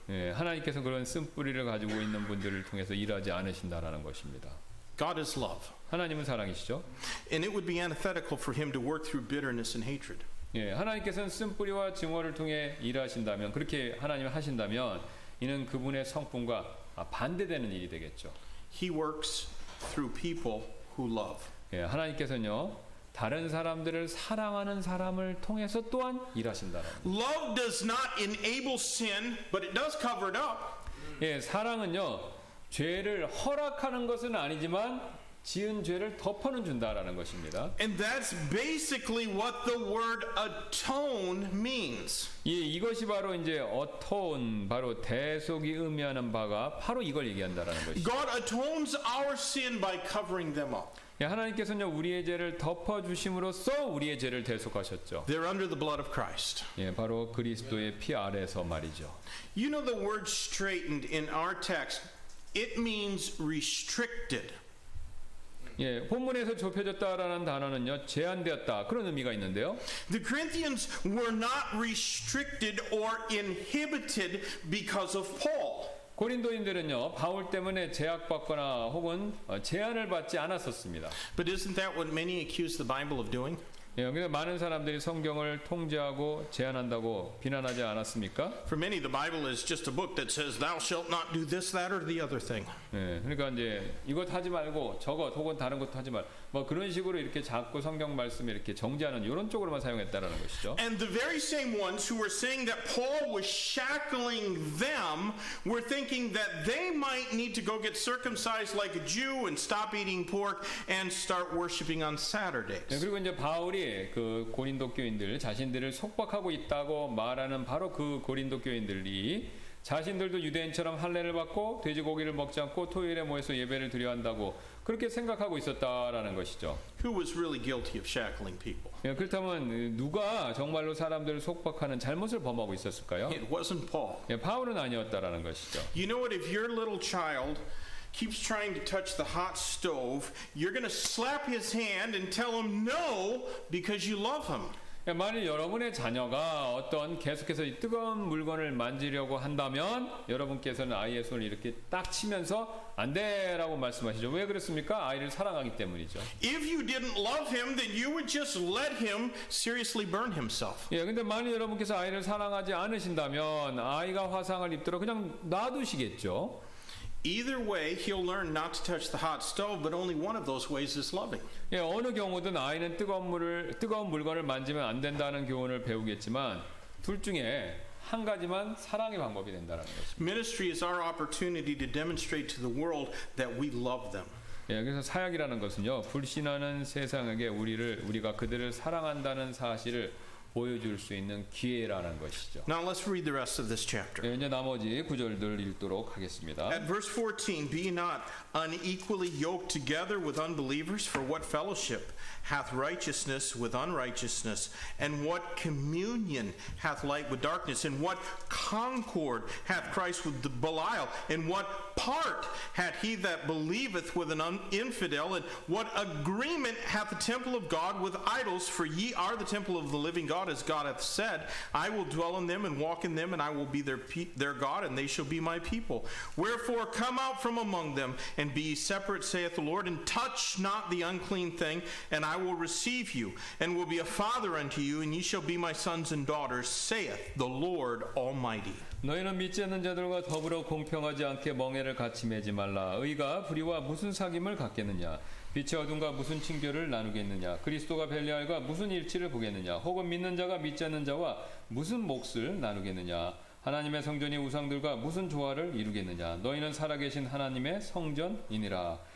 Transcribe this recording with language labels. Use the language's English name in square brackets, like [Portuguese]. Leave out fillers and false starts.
[Korean] 예, 하나님께서 그런 쓴뿌리를 가지고 있는 분들을 통해서 일하지 않으신다라는 것입니다. [English] God is love. [Korean] 하나님은 사랑이시죠. [English] And it would be antithetical for him to work through bitterness and hatred. [Korean] 예, 하나님께서는 쓴뿌리와 증오를 통해 일하신다면 그렇게 하나님이 하신다면 이는 그분의 성품과 반대되는 일이 되겠죠. [English] He works through people who love. [Korean] 예, 하나님께서는요 다른 사람들을 사랑하는 사람을 통해서 또한 일하신다. [English] Love does not enable sin, but it does cover it up. [Korean] 예, 사랑은요 죄를 허락하는 것은 아니지만 지은 죄를 덮어는 준다라는 것입니다. [English] And that's basically what the word atone means. [Korean] 예, 이것이 바로 이제 atone, 바로 대속이 의미하는 바가 바로 이걸 얘기한다라는 것이죠. [English] God atones our sin by covering them up. [Korean] 예, 하나님께서는요 우리의 죄를 덮어 주심으로써 우리의 죄를 대속하셨죠. [English] They're under the blood of Christ. [Korean] 예, 바로 그리스도의 피 아래서 말이죠. [English] You know the word straightened in our text, it means restricted. [Korean] 예, 본문에서 좁혀졌다라는 단어는요 제한되었다 그런 의미가 있는데요. [English] The Corinthians were not restricted or inhibited because of Paul. [Korean] 고린도인들은요 바울 때문에 제약받거나 혹은 제한을 받지 않았었습니다. [English] But isn't that what many accuse the Bible of doing? [Korean] 여기서 많은 사람들이 성경을 통제하고 제한한다고 비난하지 않았습니까? [English] For many, the Bible is just a book that says, "Thou shalt not do this, that, or the other thing." [Korean] 그러니까 이제 이것 하지 말고 저것 혹은 다른 것도 하지 말. 뭐 그런 식으로 이렇게 자꾸 성경 말씀을 이렇게 정지하는 이런 쪽으로만 사용했다라는 것이죠. [English] And the very same ones who were saying that Paul was shackling them were thinking that they might need to go get circumcised like a Jew and stop eating pork and start worshiping on Saturdays. [Korean] 그리고 이제 바울이 그 고린도 교인들 자신들을 속박하고 있다고 말하는 바로 그 고린도 교인들이 자신들도 유대인처럼 할례를 받고 돼지고기를 먹지 않고 토요일에 모여서 예배를 드려야 한다고 그렇게 생각하고 있었다라는 것이죠. [English] Who was really guilty of shackling people? [Korean] 예, 그렇다면 누가 정말로 사람들을 속박하는 잘못을 범하고 있었을까요? [English] It wasn't Paul. [Korean] 예, 바울은 아니었다라는 것이죠. [English] You know what? If your little child keeps trying to touch the hot stove, you're going to slap his hand and tell him no because you love him. [Korean] 만일 여러분의 자녀가 어떤 계속해서 이 뜨거운 물건을 만지려고 한다면 여러분께서는 아이의 손을 이렇게 딱 치면서 안 돼라고 말씀하시죠. 왜 그렇습니까? 아이를 사랑하기 때문이죠. [English] If you didn't love him, then you would just let him seriously burn himself. [Korean] 예, 근데 만일 여러분께서 아이를 사랑하지 않으신다면 아이가 화상을 입도록 그냥 놔두시겠죠. [English] Either way, he'll learn not to touch the hot stove, but only one of those ways is loving. [Korean] 예, 어느 경우든 아이는 뜨거운 물건을 만지면 안 된다는 교훈을 배우겠지만 둘 중에 한 가지만 사랑의 방법이 된다라는 것입니다. [English] Ministry is our opportunity to demonstrate to the world that we love them. [Korean] 예, 그래서 사역이라는 것은요, 불신하는 세상에게 우리가 그들을 사랑한다는 사실을 보여줄 수 있는 기회라는 것이죠. [English] Now let's read the rest of this chapter. [Korean] 예, 이제 나머지 구절들 읽도록 하겠습니다. [English] At verse 14, be not unequally yoked together with unbelievers, for what fellowship hath righteousness with unrighteousness, and what communion hath light with darkness, and what concord hath Christ with Belial, and what part hath he that believeth with an infidel, and what agreement hath the temple of God with idols, for ye are the temple of the living God, as God hath said, I will dwell in them and walk in them, and I will be their God, and they shall be my people. Wherefore, come out from among them, and be separate, saith the Lord, and touch not the unclean thing, and I will receive you, and will be a father unto you, and ye shall be my sons and daughters, saith the Lord Almighty. [Korean] 너희는 믿지 않는 자들과 더불어 공평하지 않게 멍에를 같이 메지 말라. 의가 불의와 무슨 사귐을 갖겠느냐? 빛의 어둠과 무슨 친교를 나누겠느냐? 그리스도가 벨리알과 무슨 일치를 보겠느냐? 혹은 믿는 자가 믿지 않는 자와 무슨 몫을 나누겠느냐? 하나님의 성전이 우상들과 무슨 조화를 이루겠느냐? 너희는 살아계신 하나님의 성전이니라.